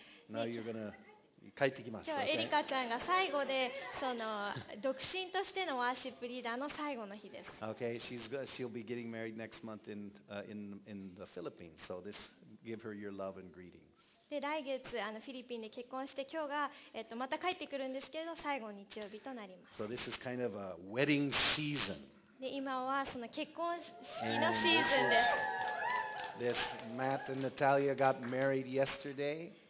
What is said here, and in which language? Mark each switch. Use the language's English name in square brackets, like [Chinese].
[English] Now you're gonna. [Japanese] 帰ってきます。今日はエリカちゃんが最後で、その独身としてのワーシップリーダーの最後の日です。 [English] Okay, she'll be getting married next month in the Philippines. So this give her your love and greetings. [Japanese] で、来月フィリピンで結婚して、今日がまた帰ってくるんですけれど、最後の日曜日となります。 [English] So this is kind of a wedding season. [Japanese] で、今はその結婚式のシーズンです。 [English] This Matt and Natalia got married yesterday.